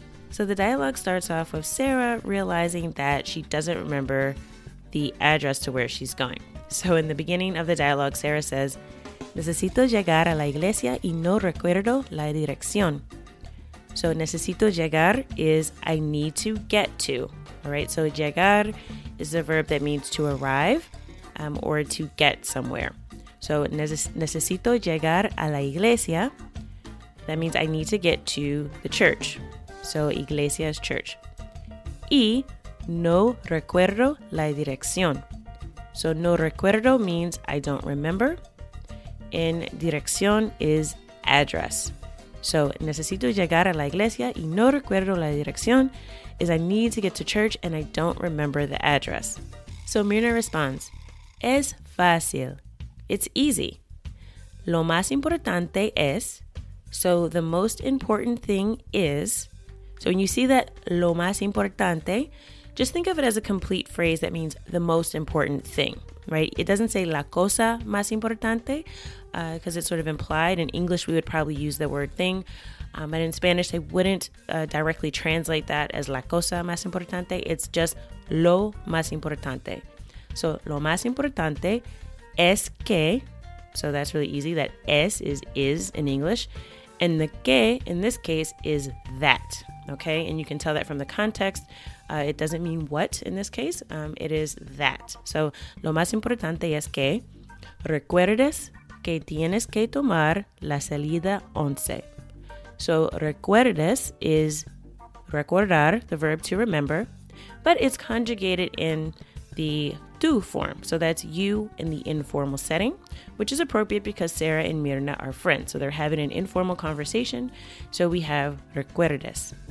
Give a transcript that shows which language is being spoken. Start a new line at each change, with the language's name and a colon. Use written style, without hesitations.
English: So the dialogue starts off with Sarah realizing that she doesn't remember the address to where she's going. So in the beginning of the dialogue, Sarah says,
Spanish: Necesito llegar a la iglesia y no recuerdo la dirección.
English: So
Spanish: necesito llegar
English: is I need to get to. All right, so llegar is a verb that means to arrive or to get somewhere.
Spanish: So necesito llegar a la iglesia.
English: That means I need to get to the church. So iglesia is church.
Spanish: Y no recuerdo la dirección.
English: So
Spanish: no recuerdo
English: means I don't remember. And dirección is address. So
Spanish: necesito llegar a la iglesia y no recuerdo la dirección
English: is I need to get to church and I don't remember the address. So Mirna responds,
Spanish: es fácil.
English: It's easy.
Spanish: Lo más importante es.
English: So the most important thing is. So when you see that
Spanish: lo más importante,
English: just think of it as a complete phrase that means the most important thing, right? It doesn't say
Spanish: la cosa más importante
English: because it's sort of implied. In English, we would probably use the word thing. But in Spanish, they wouldn't directly translate that as
Spanish: la cosa más importante.
English: It's just
Spanish: lo más importante.
English: So
Spanish: lo más importante es que,
English: so that's really easy, that es is in English. And the que, in this case, is that, okay? And you can tell that from the context. It doesn't mean what in this case. It is that.
Spanish: So, lo más importante es que recuerdes que tienes que tomar la salida 11.
English: So, recuerdes is recordar, the verb to remember, but it's conjugated in the tú form. So, that's you in the informal setting, which is appropriate because Sarah and Mirna are friends. So, they're having an informal conversation. So, we have recuerdes.